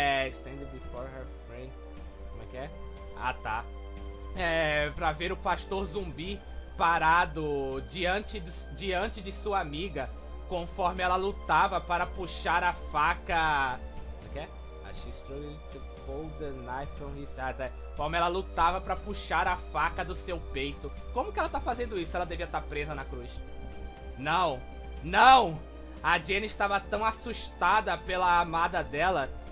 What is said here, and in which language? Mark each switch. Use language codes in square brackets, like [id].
[en] standing before her friend. [pt] Como é que é? Ah, tá. Pra ver o pastor zumbi parado diante de sua amiga, conforme ela lutava para puxar a faca... [en] Okay? She struggled to pull the knife from his heart. [pt] Conforme ela lutava para puxar a faca do seu peito. Como que ela tá fazendo isso? Ela devia estar presa na cruz. Não! Não! A Jenny estava tão assustada pela amada dela...